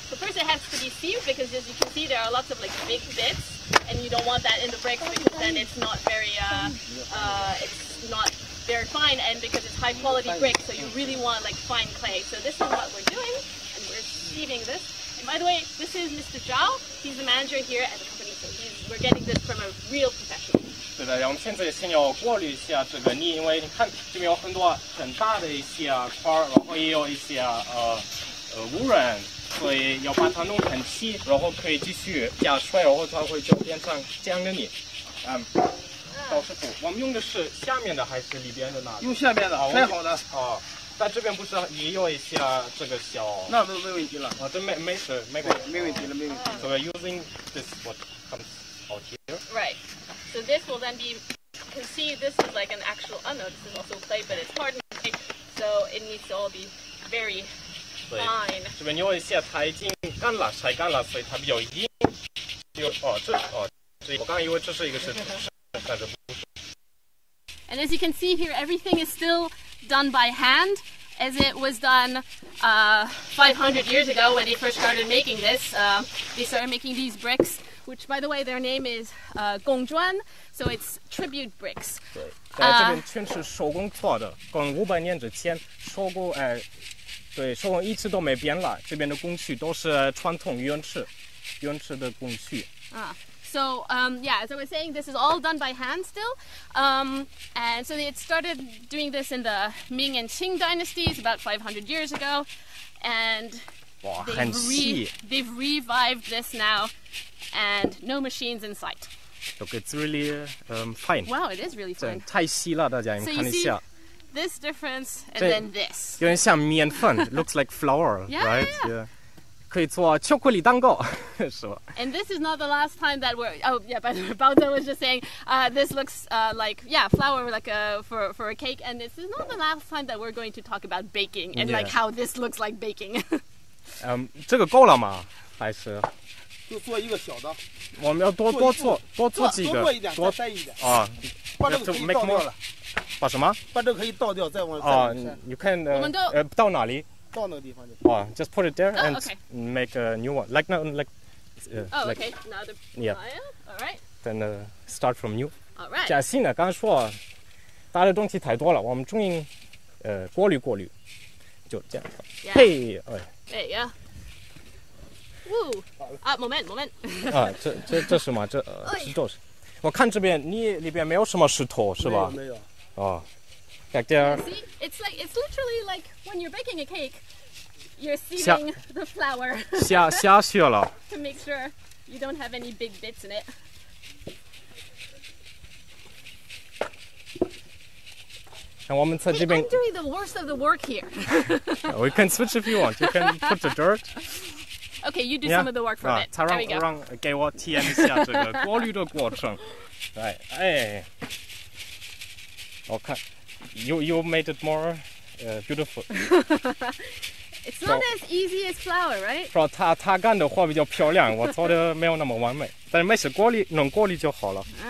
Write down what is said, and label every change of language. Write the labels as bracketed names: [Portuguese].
[English] So first it has to be sieved because as you can see there are lots of like big bits and you don't want that in the bricks because then it's not very fine and because it's high quality bricks, so you really want like fine clay. So this is what we're doing and we're sieving this. And by the way, this is Mr. Zhao. He's the manager here at the company, so we're getting this from a real professional. [Chinese] 对的，我们现在先要过滤一下这个泥，因为你看这边有很多很大的一些块，然后也有一些污染，所以要把它弄成细，然后可以继续加水，然后它会就变成浆的泥。嗯，赵师傅，我们用的是下面的还是里边的呢？用下面的，筛好的。哦，但这边不是也有一些这个小？那没问题了。啊，这没事，没关系，没问题了，没问题了。 [English] So we're using this what comes out here. Right. So this will then be, you can see this is like an actual, oh no, this is also clay, but it's hardened clay, so it needs to all be very fine. [Chinese] 这边有一些它已经干了，晒干了，所以它比较硬。这我刚刚以为这是一个是，但是不是。 [English] And as you can see here, everything is still done by hand, as it was done 500 years ago when they first started making this. They started making these bricks. Which, by the way, their name is Gong Zhuan, so it's tribute bricks. [Chinese] 对，在这边全是手工做的，跟500年之前手工对，手工一直都没变了。这边的工序都是传统原始的工序。 [English] As I was saying, this is all done by hand still. And so they had started doing this in the Ming and Qing dynasties about 500 years ago, and they've revived this now. And no machines in sight. Look, it's really fine. Wow, it is really fine. [Chinese] 太细了，大家你看一下。 [English] This difference and then this. [Chinese] 有点像面粉 [English] ，looks like flour, right? Yeah. [Chinese] 可以做巧克力蛋糕，是吧 [English] ？And this is not the last time that we're. Oh yeah, by the way, Bao Zhe was just saying, this looks flour like for a cake. And this is not the last time that we're going to talk about baking and like how this looks like baking. [Chinese] 这个够了吗？还是？就做一个小的，我们要多做几个，多做一点，再塞一点啊，把这个皮照掉了。把什么？把这可以倒掉，再往再往下。 [English] You can [Chinese] 到哪里？到那个地方就。 [English] Oh, just put it there and make a new one. Like not like. Another. Yeah. Alright. Then start from new. Alright. [Chinese] 假性呢？刚刚说，大家的东西太多了，我们终于过滤过滤，就这样。 [English] Yeah. Hey. Hey. Yeah. 哦，啊 ，moment， [Chinese] 啊，这是吗？这石头是，我看这边你里边没有什么石头是吧？没有。哦，在这儿。 [English] See, it's like it's literally like when you're baking a cake, you're sieving the flour. [Chinese] 下雪了。 [English] To make sure you don't have any big bits in it. [Chinese] 让我们在这边。 [English] Hey, I'm doing the worst of the work here. We can switch if you want. You can put the dirt. Okay, you do some of the work for it. There we go. [Chinese] 让给我体验一下这个过滤的过程。对，哎，我看 [English] ，you made it more beautiful. It's not as easy as flour, right? [Chinese] 说他干的活比较漂亮，我做的没有那么完美，但是没事，过滤弄过滤就好了。